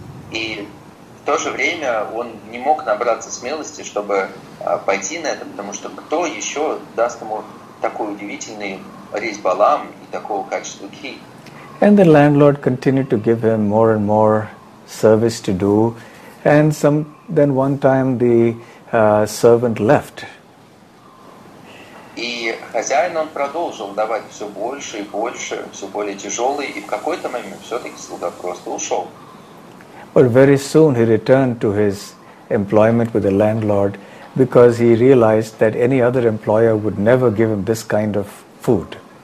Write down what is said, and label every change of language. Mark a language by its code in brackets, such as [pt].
[ru] И в то же время он не мог набраться смелости, чтобы пойти на это, потому что кто еще даст ему такой удивительный рис балам и такого качества ghee? [en] And the landlord continued to give him more and more service to do, and then one time the servant left. [ru] И хозяин, он продолжил давать все больше и больше, все более тяжелый, и в какой-то момент все-таки слуга просто ушел. [en] But very soon he returned to his employment with the landlord, because he realized that any other employer would never give him this kind of food.